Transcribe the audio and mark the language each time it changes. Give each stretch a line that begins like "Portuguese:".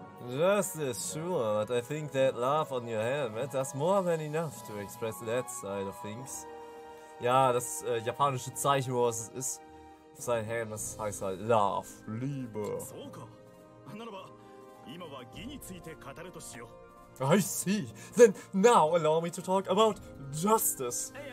English: Justice, sure, but I think that laugh on your helmet does more than enough to express that side of things.
German: Ja, das japanische Zeichen, was es ist, auf sein Helm, das heißt halt Laugh, Liebe.
English: I see. Then now allow me to talk about justice.